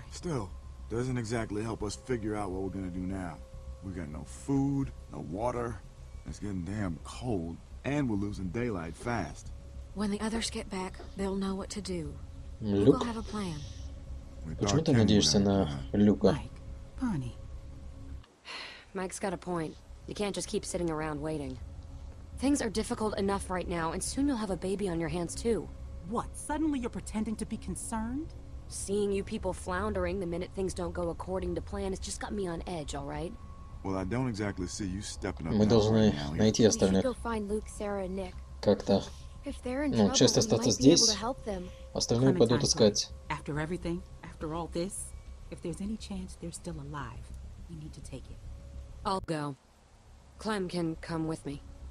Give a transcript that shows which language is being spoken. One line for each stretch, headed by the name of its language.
English: Still, doesn't exactly help us figure out what we're gonna do now. We got no food, no water. It's getting damn cold, and we're losing daylight fast. When the others get back, they'll know what to do.
Russian: Люк?
English: We'll have a plan.
Russian: Почему ты надеешься на Люка?
English: Mike, Bonnie. Mike's got a point. You can't just keep sitting around waiting. Things are difficult enough right now, and soon you'll have a baby on your hands too. What? Suddenly you're pretending to be concerned? Seeing you people floundering the minute things don't go according to plan has just got me on edge, all right? Well, I don't exactly see you stepping up.
Russian: Мы должны найти остальных.
English: Go find Luke, Sarah, Nick.
Russian: Как-то.
English: If they're in trouble, we might be able to help them.
Russian: Остальные пойдут искать.
English: After everything, after all this, if there's any chance they're still alive, we need to take it. I'll go. Clem can come with me.